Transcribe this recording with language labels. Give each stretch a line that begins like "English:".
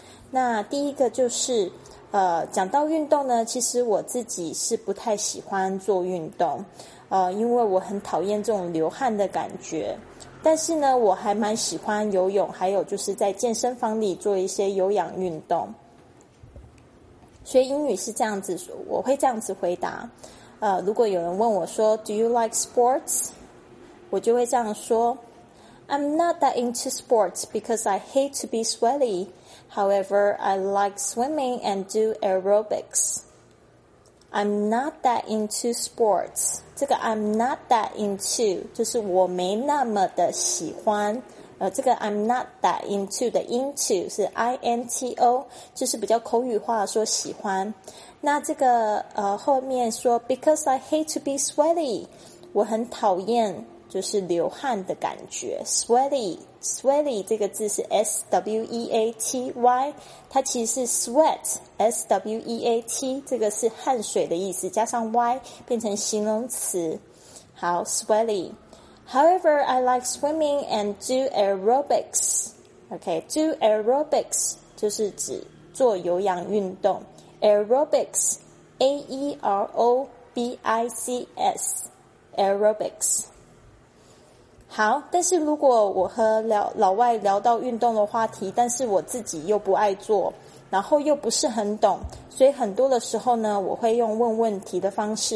Chinese: 那第一个就是讲到运动呢，其实我自己是不太喜欢做运动，因为我很讨厌这种流汗的感觉。但是呢，我还蛮喜欢游泳，还有就是在健身房里做一些有氧运动。所以英语是这样子，我会这样子回答。如果有人问我说
English: Do you like sports?
Chinese: 我就会这样说，
English: I'm not that into sports because I hate to be sweaty. However, I like swimming and do aerobics. I'm not that into sports.
Chinese: 这个 I'm not that into 就是我没那么的喜欢。这个 I'm not that into 的 into 是 I-N-T-O, 就是比较口语化说喜欢。那这个后面说
English: because I hate to be sweaty,
Chinese: 我很讨厌就是流汗的感觉。 sweaty 这个字是 s-w-e-a-t-y, 它其实是 sweat, s-w-e-a-t, 这个是汗水的意思，加上 y 变成形容词。好， sweaty.
English: However, I like swimming and do aerobics.
Chinese: Okay, do aerobics 就是指做有氧运动。
English: aerobics, a-e-r-o-b-i-c-s, aerobics.
Chinese: 好，但是如果我和老外聊到运动的话题，但是我自己又不爱做，然后又不是很懂，所以很多的时候呢，我会用问问题的方式。